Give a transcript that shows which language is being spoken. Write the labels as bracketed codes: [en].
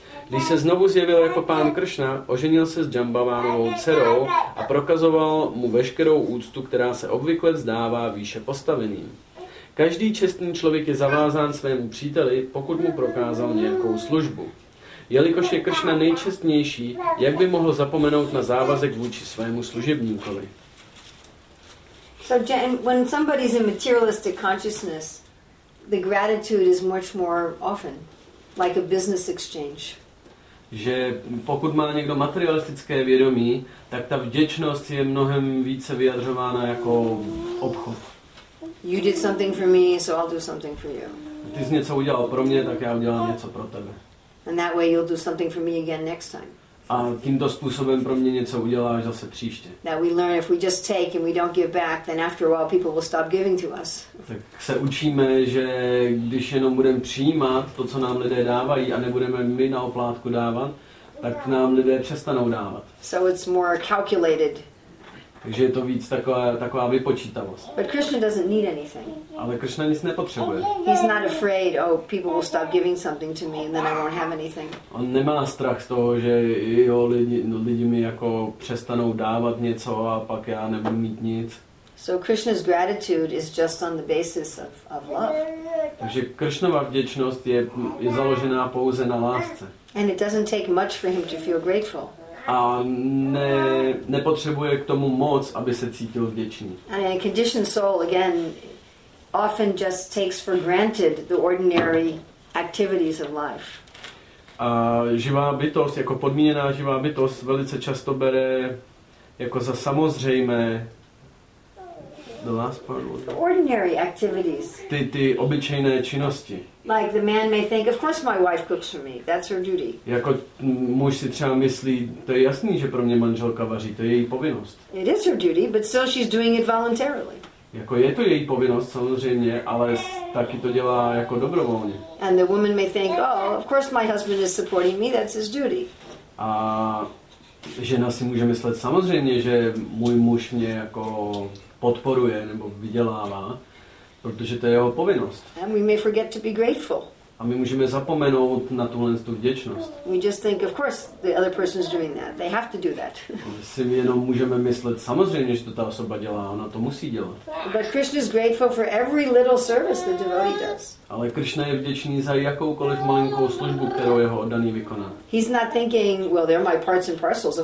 [cs] Když se znovu zjevil jako pán Kršna, oženil se s Jambavanovou dcerou a prokazoval mu veškerou úctu, která se obvykle vzdává výše postaveným. Každý čestný člověk je zavázán svému příteli, pokud mu prokázal nějakou službu. Jelikož je Kršna nejčestnější, jak by mohl zapomenout na závazek vůči svému služebníkovi? [en] So when somebody's in materialistic consciousness, the gratitude is much more often like a business exchange. [cs] Že pokud má někdo materialistické vědomí, tak ta vděčnost je mnohem více vyjadřována jako obchod. [en] You did something for me, so I'll do something for you. [cs] Ty jsi něco udělal pro mě, tak já udělám něco pro tebe. [en] And that way you'll do something for me again next time. [cs] A tímto způsobem pro mě něco uděláš zase příště. [en] That we learn if we just take and we don't give back, then after a while people will stop giving to us. [cs] Tak se učíme, že když jenom budeme přijímat to, co nám lidé dávají, a nebudeme my na oplátku dávat, tak nám lidé přestanou dávat. [en] So it's more calculated. [cs] Takže je to víc taková vypočítavost. [en] But Krishna doesn't need anything. [cs] Ale Krishna nic nepotřebuje. [en] He's not afraid, oh, people will stop giving something to me and then I won't have anything. [cs] On nemá strach z toho, že jo, lidi mi jako přestanou dávat něco a pak já nebudu mít nic. [en] So Krishna's gratitude is just on the basis of love. [cs] Takže Krishnova vděčnost je založená pouze na lásce. [en] And it doesn't take much for him to feel grateful. [cs] A nepotřebuje k tomu moc, aby se cítil vděčný. [en] And a conditioned soul again often just takes for granted the ordinary activities of life. [cs] A živá bytost, jako podmíněná živá bytost, velice často bere jako za samozřejmé [en] the last part, the ordinary activities. [cs] Ty obyčejné činnosti. [en] Like the man may think, of course my wife cooks for me. That's her duty. [cs] Jako muž si třeba myslí, to je jasný, že pro mě manželka vaří, to je její povinnost. [en] It is her duty, but still she's doing it voluntarily. [cs] Jako je to její povinnost samozřejmě, ale taky to dělá jako dobrovolně. [en] And the woman may think, oh, of course my husband is supporting me. That's his duty. [cs] A žena si může myslet samozřejmě, že můj muž mě jako podporuje nebo vydělává, protože to je jeho povinnost. [en] And we may forget to be grateful. [cs] A my můžeme zapomenout na tuhle tu vděčnost. [en] We just think, of course, the other person is doing that. They have to do that. [cs] Si jenom můžeme myslet samozřejmě, že to ta osoba dělá, ona to musí dělat. [en] But Krishna is grateful for every little service the devotee does. [cs] Ale Krishna je vděčný za jakoukoliv malinkou službu, kterou jeho oddaný vykoná. [en] He's not thinking, well, they're my parts and parcels.